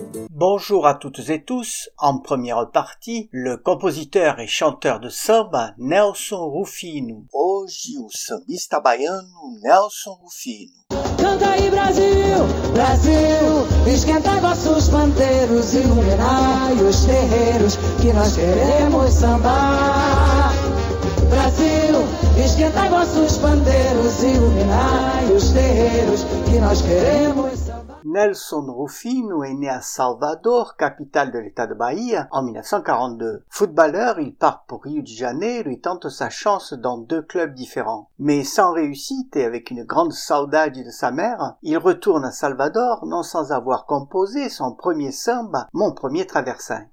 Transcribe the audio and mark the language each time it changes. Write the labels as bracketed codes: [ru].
[fr] Bonjour à toutes et tous. En première partie, le compositeur et chanteur de samba Nelson Rufino. [pt] Hoje o sambista baiano Nelson Rufino. Canta aí Brasil, Brasil, esquenta vossos pandeiros e iluminai os terreiros que nós queremos sambar. Brasil, esquenta vossos pandeiros e iluminai os terreiros que nós queremos sambar. [fr] Nelson Rufino est né à Salvador, capitale de l'état de Bahia, en 1942. Footballeur, il part pour Rio de Janeiro et tente sa chance dans deux clubs différents. Mais sans réussite et avec une grande saudade de sa mère, il retourne à Salvador, non sans avoir composé son premier samba, Mon premier traversin.